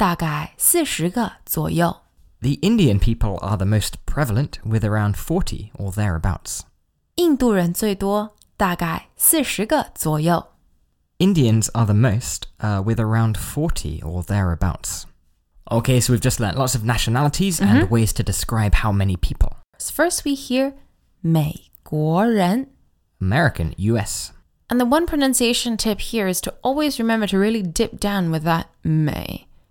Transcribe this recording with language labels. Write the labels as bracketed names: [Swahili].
[Chinese] 印度人最多,大概40个左右. [English] The Indian people are the most prevalent, with around 40 or thereabouts. [Chinese] 印度人最多,大概40个左右. [English] Indians are the most, with around 40 or thereabouts. Okay, so we've just learned lots of nationalities mm-hmm. and ways to describe how many people. So first we hear 美国人. American, US. And the one pronunciation tip here is to always remember to really dip down with that 美.